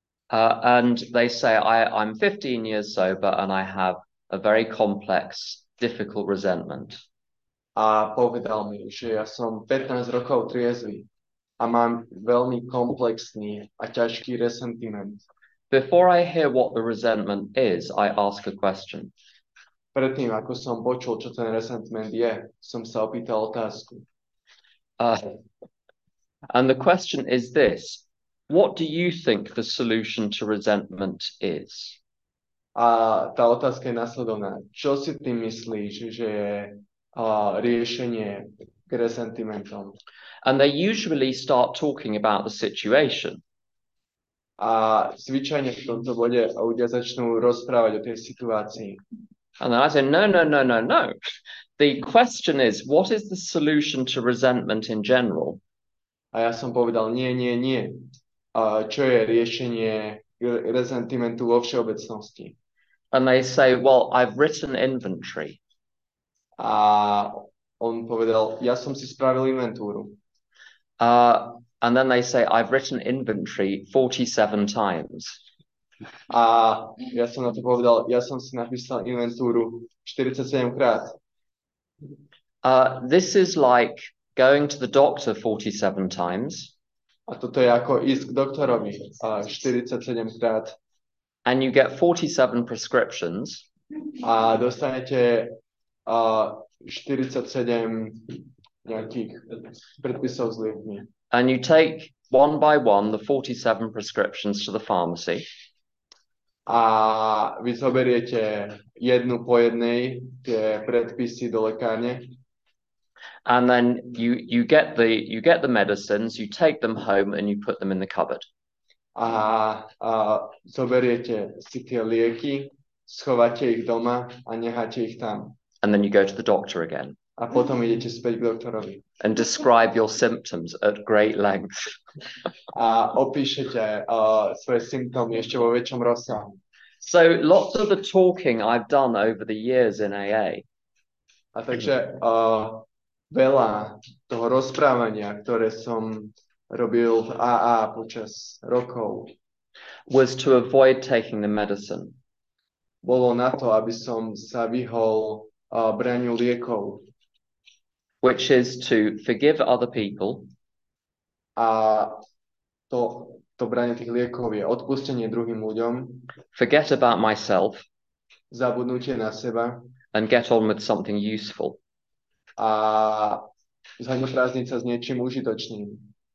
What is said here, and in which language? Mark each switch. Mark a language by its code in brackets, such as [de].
[en] And they say, I'm 15 years sober and I have a very complex, difficult resentment. [sk] A povedal mi, že ja som 15 rokov triezvy a mám veľmi komplexný a ťažký resentiment. [en] Before I hear what the resentment is, I ask a question. [sk] Predtým, ako som počul, čo ten resentment je, som sa opýtal otázku. [en] And the question is this: what do you think the solution to resentment is? [sk] A tá otázka je nasledovná. Čo si ty myslíš, že je riešenie k resentimentom? [en] And they usually start talking about the situation. [sk] A zvyčajne v tomto bode ľudia začnú rozprávať o tej situácii. [en] And then I say, no. The question is, what is the solution to resentment in general? [sk] A ja som povedal, nie. Čo je riešenie resentimentu vo všeobecnosti? [en] And they say, well, I've written inventory. [sk] A on povedal, ja som si spravil inventúru. [en] And then they say, I've written inventory 47 times. [sk] A ja som na to povedal, ja som si napísal inventúru 47 krát. [en] This is like going to the doctor 47 times. [sk] A toto je ako ísť k doktorovi 47 krát. [en] And you get 47 prescriptions. [sk] A dostanete 47 nejakých predpisov z liekmi. [en] And you take one by one the 47 prescriptions to the pharmacy. [sk] A vy zoberiete jednu po jednej tie predpisy do lekárne. [en] And then you get the medicines, you take them home and you put them in the cupboard. [sk] A zoberiete si tie lieky, schováte ich doma a necháte ich tam. [en] And then you go to the doctor again. [sk] A potom idete späť k doktorovi. [en] And describe your symptoms at great length. [sk] A opíšete svoje symptómy ešte vo väčšom rozsahu. [en] So lots of the talking I've done over the years in AA. [sk] A takže veľa toho rozprávania, ktoré som robil v AA počas rokov, [en] was to avoid taking the medicine. [sk] Bolo na to, aby som sa vyhol braniu liekov. [en] Which is to forgive other people. [sk] A to branie tých liekov je odpustenie druhým ľuďom. [en] Forget about myself. [sk] Zabudnutie na seba. [en] And get on with something useful. [sk] A zhodnoprázdniť sa s niečím užitočným.